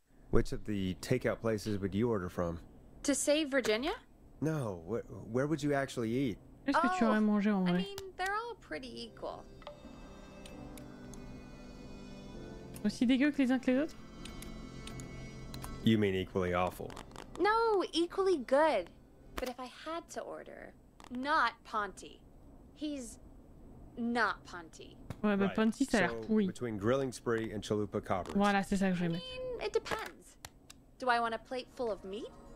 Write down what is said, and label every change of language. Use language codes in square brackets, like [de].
[en] Which of the takeout places would you order from? To save Virginia? No, where would you actually eat? [fr] Est-ce que tu aurais mangé en vrai? [en] I mean, they're all pretty equal. [fr] Aussi dégueu que les uns que les autres? [en] You mean equally awful. No, equally good. But if I had to order, not Ponty. He's not Ponty. [fr] Ouais, mais [en] right. [fr] Ponty, ça a l'air pourri. [en] So, between grilling spree and chalupa coppers. [fr] Voilà, c'est ça que j'aime. [en] I mean, it depends. Do I want a plate full of meat?